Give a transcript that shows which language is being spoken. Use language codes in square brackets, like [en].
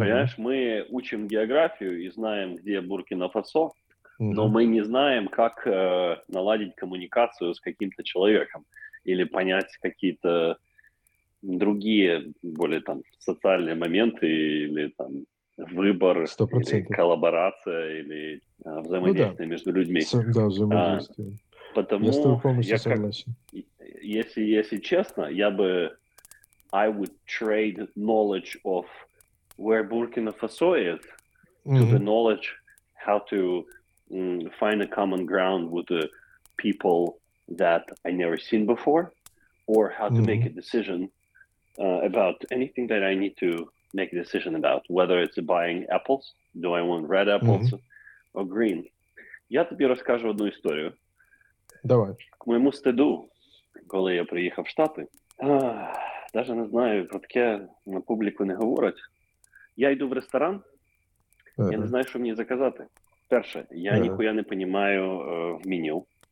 [ru] Понимаешь, мы учим географию и знаем, где Буркина-Фасо, но мы не знаем, как наладить коммуникацию с каким-то человеком или понять какие-то другие более там социальные моменты или там выбор, 100%. Или коллаборация, или взаимодействие между людьми. Да, взаимодействие. Потому я с тобой полностью согласен. Если честно, я бы [en] I would trade knowledge of where Burkina Faso is to the knowledge how to find a common ground with the people that I never seen before, or how to make a decision about anything that I need to make a decision about, whether it's buying apples, do I want red apples or green. [uk] Я тобі розкажу одну історію. Давай. К моєму стиду, коли я приїхав в Штати, даже не знаю, про таке на публіку не говорять. Я йду в ресторан, я не знаю, що мені заказати. Перше, я ніхуя не розумію в меню.